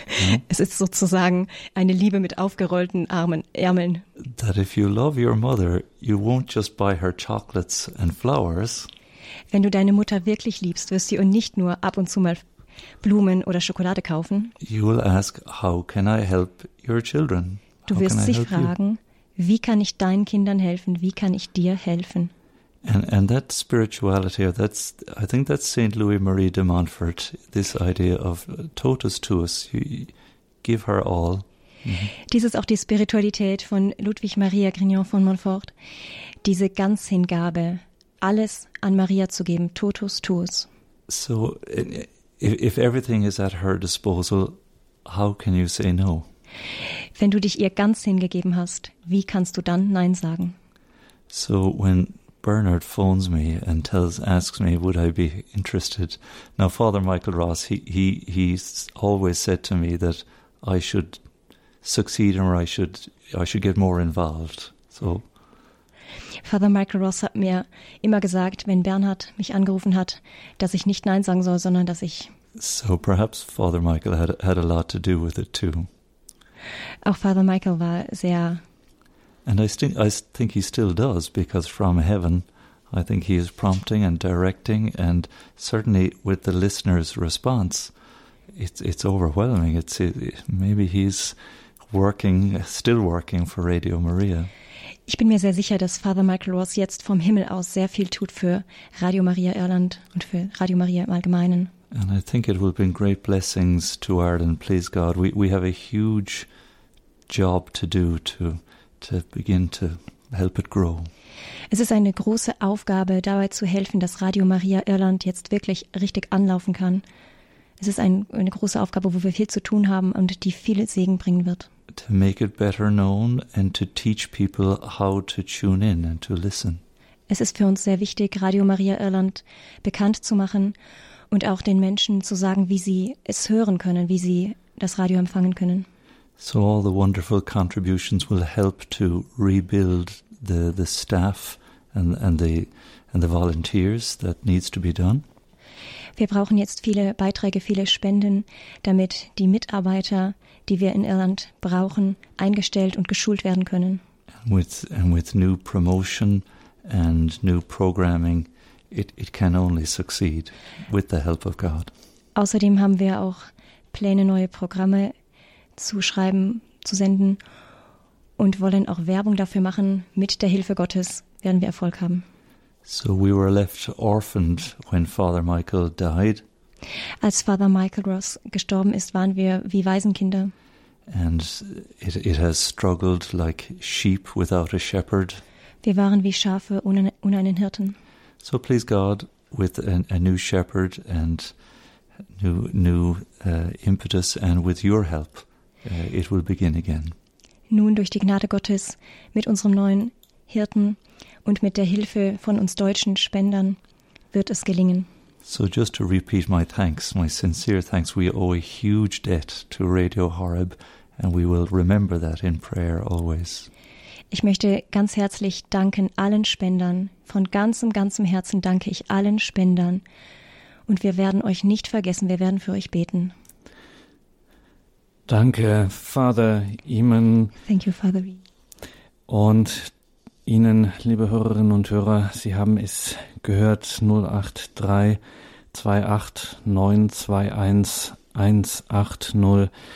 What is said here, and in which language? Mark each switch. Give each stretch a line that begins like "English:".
German: Mm? Es ist sozusagen eine Liebe mit aufgerollten Armen, Ärmeln.
English: That if you love your mother, you won't just buy her chocolates and flowers.
German: Wenn du deine Mutter wirklich liebst, wirst du ihr nicht nur ab und zu mal Blumen oder Schokolade kaufen.
English: You will ask, how can I help your children?
German: Du wirst sich fragen, wie kann ich deinen Kindern helfen? Wie kann ich dir helfen?
English: And that spirituality, I think that's Saint Louis Marie de Montfort, this idea of totus tuus, you give her all.
German: Dies ist auch die Spiritualität von Ludwig Maria Grignion von Montfort, diese Ganzhingabe, alles an Maria zu geben, totus tuus.
English: So, if everything is at her disposal, how can you say no?
German: Wenn du dich ihr ganz hingegeben hast, wie kannst du dann nein sagen?
English: So when Bernard phones me and asks me, would I be interested? Now, Father Michael Ross, he's always said to me that I should succeed or I should get more involved. So,
German: Father Michael Ross hat mir immer gesagt, wenn Bernhard mich angerufen hat, dass ich nicht nein sagen soll, sondern dass ich.
English: So perhaps Father Michael had a lot to do with it too.
German: Auch Father Michael war sehr.
English: And I think he still does, because from heaven, I think he is prompting and directing, and certainly with the listener's response, it's overwhelming. Maybe he's still working for Radio Maria.
German: Ich bin mir sehr sicher, dass Father Michael Ross jetzt vom Himmel aus sehr viel tut für Radio Maria Irland und für Radio Maria im Allgemeinen.
English: And I think it will bring great blessings to Ireland. Please God, we have a huge job to do to to begin to help it grow.
German: Es ist eine große Aufgabe, dabei zu helfen, dass Radio Maria Irland jetzt wirklich richtig anlaufen kann. Es ist eine große Aufgabe, wo wir viel zu tun haben und die viel Segen bringen wird.
English: To make it better known and to teach people how to tune in and to listen.
German: Es ist für uns sehr wichtig, Radio Maria Irland bekannt zu machen und auch den Menschen zu sagen, wie sie es hören können, wie sie das Radio empfangen können.
English: So all the wonderful contributions will help to rebuild the staff and the volunteers that needs to be done.
German: Wir brauchen jetzt viele Beiträge, viele Spenden, damit die Mitarbeiter, die wir in Irland brauchen, eingestellt und geschult werden können.
English: And with new promotion and new programming, it can only succeed with the help of God.
German: Außerdem haben wir auch Pläne, neue Programme zu schreiben, zu senden und wollen auch Werbung dafür machen. Mit der Hilfe Gottes werden wir Erfolg haben.
English: So we were left orphaned when Father Michael died.
German: Als Father Michael Ross gestorben ist, waren wir wie Waisenkinder.
English: And it has struggled like sheep without a shepherd.
German: Wir waren wie Schafe ohne einen Hirten.
English: So please God, with a new shepherd and new impetus and with your help, it will begin again.
German: Nun durch die Gnade Gottes mit unserem neuen Hirten und mit der Hilfe von uns deutschen Spendern wird es gelingen.
English: So just to repeat my thanks, my sincere thanks, we owe a huge debt to Radio Horeb and we will remember that in prayer always.
German: Ich möchte ganz herzlich danken allen Spendern. Von ganzem Herzen danke ich allen Spendern. Und wir werden euch nicht vergessen, wir werden für euch beten. Danke, Father Eamon.
English: Thank you, Father Eamon.
German: Und Ihnen, liebe Hörerinnen und Hörer, Sie haben es gehört, 083-289-21-180.